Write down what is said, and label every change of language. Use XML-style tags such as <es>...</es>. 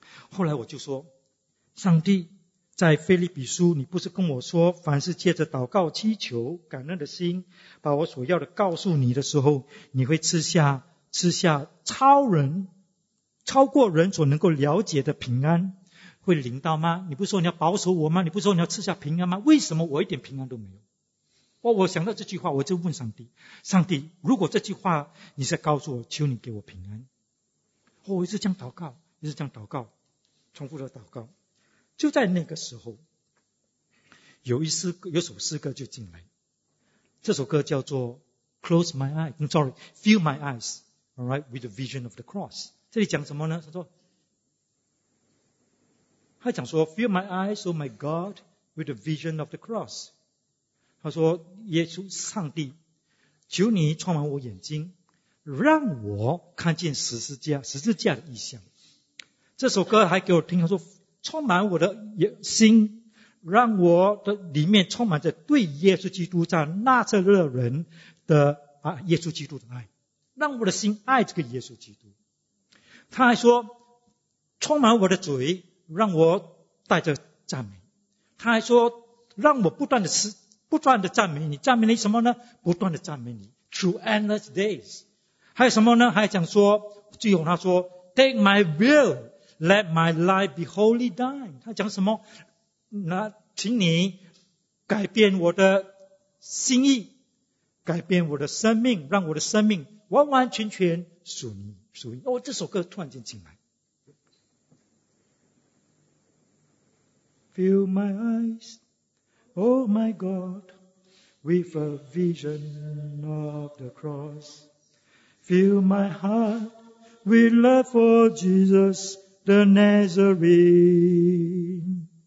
<zh>后来我就说，上帝，在腓立比书，你不是跟我说，凡是借着祷告、祈求、感恩的心，把我所要的告诉你的时候，你会赐下超过人所能够了解的平安会临到吗？你不是说你要保守我吗？你不是说你要赐下平安吗？为什么我一点平安都没有？我想到这句话，我就问上帝，上帝，如果这句话你是告诉我，求你给我平安。我一直这样祷告，一直这样祷告，重复的祷告。就在那个时候，有首诗歌就进来，这首歌叫做</zh> <en>Close My Eyes， sorry， Fill My Eyes Alright, with the vision of the cross.</en> <zh>这里讲什么呢？他讲说</zh> <en>Fill my eyes, oh my God, with the vision of the cross.</en> <zh>他说耶稣上帝，求你充满我眼睛，让我看见十字架的意象。这首歌还给我听，他说充满我的心，让我的里面充满着对耶稣基督在纳撒勒人的耶稣基督的爱，让我的心爱这个耶稣基督。他还说充满我的嘴，让我带着赞美。他还说让我不断的赞美你。赞美你什么呢？不断的赞美你</zh> <en>through endless days。</en> <zh>还有什么呢？还讲说，最后他说</zh> <en>take my will, let my life be wholly thine。</en> <zh>他讲什么？那请你改变我的心意，改变我的生命，让我的生命完完全全属你，属灵。哦，这首歌突然间进来。</zh> <en>Fill my eyes, oh my God, with a vision of the cross. Fill my heart with love for Jesus the Nazarene.</en>